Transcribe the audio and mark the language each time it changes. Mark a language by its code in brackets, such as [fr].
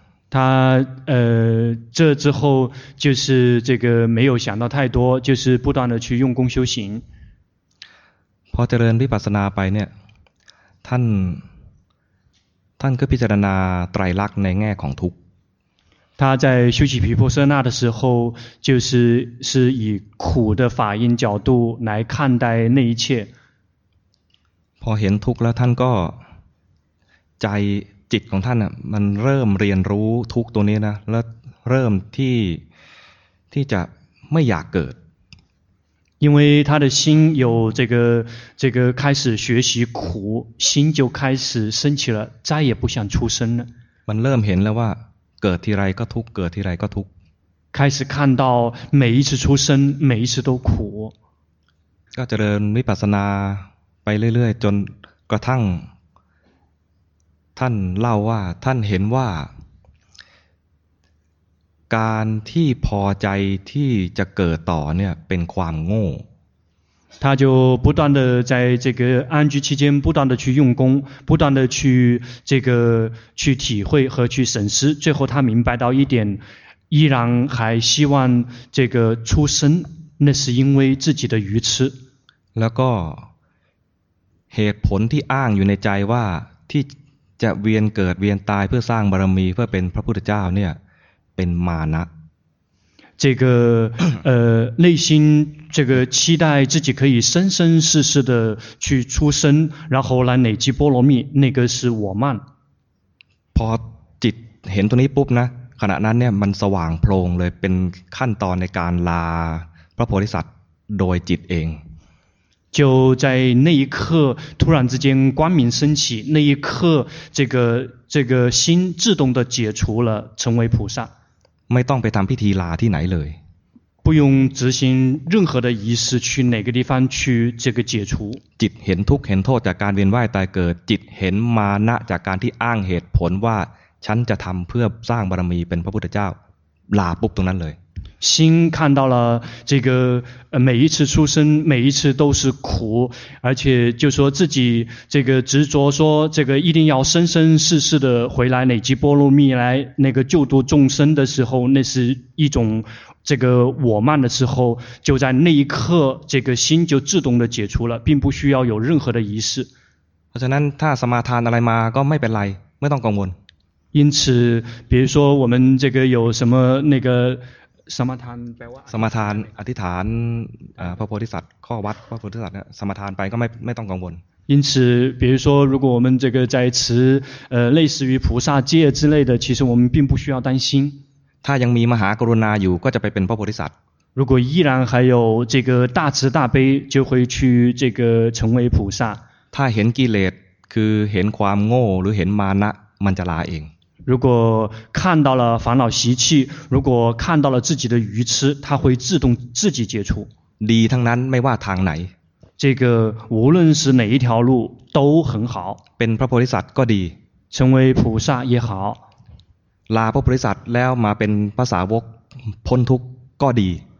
[zh] 他这之后就是这个没有想到太多就是不断的去用功修行 [th] พอเจริญวิปัสสนาไปเนี่ยท่านก็พิจารณาไตรลักษณ์ในแง่ของทุกข์ [zh] 他在修习毗婆舍那的时候就是以苦的法印角度来看待那一切 [th] พอเห็นทุกข์แล้วท่านก็ใจจิตของท่านน่ะมันเริ่มเรียนรู้ทุกข์ตัวนี้นะแล้วเริ่มที่จะไม่อยากเกิด [zh] 因为他的心有这个开始学习苦心就开始升起了再也不想出生了 [th] มันเริ่มเห็นแล้วว่าเกิดทีไรก็ทุกข์เกิดทีไรก็ทุกข์ [zh] 开始看到每一次出生每一次都苦 [th] ก็เจริญวิปัสสนาไปเรื่อยๆจนกระทั่งท่านเล่าว่าท่านเห็นว่าการที่พอใจที่จะเกิดต่อเนี่ยเป็นความโง่ [zh] 他就不断的在这个安居期间不断的去用功不断的去这个去体会和去审视最后他明白到一点依然还希望这个出生那是因为自己的愚痴 [th] แล้วก็เหตุผลที่อ้างอยู่ในใจว่าที่จะเวียนเกิดเวียนตายเพื่อสร้างบารมีเพื่อเป็นพระพุทธเจ้าเนี่ยเป็นมานะ [zh] 这个内心这个期待自己可以生生世世的去出生然后来累积波罗蜜那个是我慢 [th] พอจิตเห็นตรงนี้ปุ๊บนะขณะนั้นเนี่ยมันสว่างโพล่งเลยเป็นขั้นตอนในการลาพระโพธิสัตว์โดยจิตเอง [zh] 就在那一刻突然之间光明升起那一刻这个心自动的解除了成为菩萨 [th] ไม่ต้องไปทำพิธีลาที่ไหนเลย [zh] 不用执行任何的仪式去哪个地方去这个解除 [th] จิตเห็นทุกข์เห็นโทษจากการเวียนว่ายตายเกิดจิตเห็นมานะจากการที่อ้างเหตุผลว่าฉันจะทำเพื่อสร้างบารมีเป็นพระพุทธเจ้าลาปุ๊บตรงนั้นเลย [zh] 心看到了这个每一次出生每一次都是苦而且就说自己这个执着说这个一定要生生世世的回来累积波罗蜜来那个救度众生的时候那是一种这个我慢的时候就在那一刻这个心就自动的解除了并不需要有任何的仪式 [th] เพราะฉะนั้นถ้าสมาทานอะไรมาก็ไม่เป็นไรไม่ต้องกังวล [zh] 因此比如说我们这个有什么那个 [th] สมาทานแปลว่า สมาทานอธิษฐานพระโพธิสัตว์ข้อวัดพระโพธิสัตว์เนี่ยสมาทานไปก็ไม่ต้องกังวล [zh] 因此比如说如果我们这个在持类似于菩萨戒之类的其实我们并不需要担心 [th] ถ้ายังมีมหากรุณาอยู่ก็จะไปเป็นพระโพธิสัตว์ [zh] 如果依然还有这个大慈大悲就会去这个成为菩萨 [th] ถ้าเห็นกิเลสคือเห็นความโง่หรือเห็นมานะมันจะลาเอง [zh] 如果看到了烦恼习气如果看到了自己的愚痴它会自动自己解除 [th] ดีทั้งนั้นไม่ว่าทางไหน [zh] 这个无论是哪一条路都很好 [th] เป็นพระโพธิสัตว์ก็ดี [zh] 成为菩萨也好 [th] ลาพระโพธิสัตว์แล้วมาเป็นพระสาวกพ้นทุกข์ก็ดี